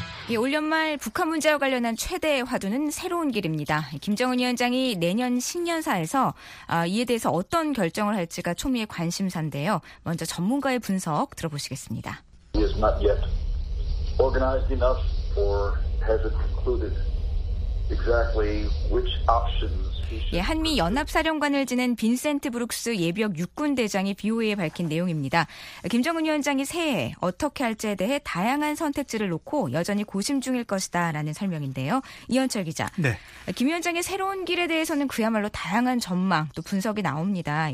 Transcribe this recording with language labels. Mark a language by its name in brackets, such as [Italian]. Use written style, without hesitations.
[Korean] 예, 올 연말 북한 문제와 관련한 최대의 화두는 새로운 길입니다. 김정은 위원장이 내년 신년사에서 이에 대해서 어떤 결정을 할지가 초미의 관심사인데요. 먼저 전문가의 분석 들어보시겠습니다. [English] He is not yet organized enough or hasn't concluded exactly which options. [Korean] 예, 한미연합사령관을 지낸 빈센트 브룩스 예비역 육군대장이 BOA에 밝힌 내용입니다. 김정은 위원장이 새해 어떻게 할지에 대해 다양한 선택지를 놓고 여전히 고심 중일 것이다 라는 설명인데요. 이현철 기자, 네. 김 위원장의 새로운 길에 대해서는 그야말로 다양한 전망 또 분석이 나옵니다.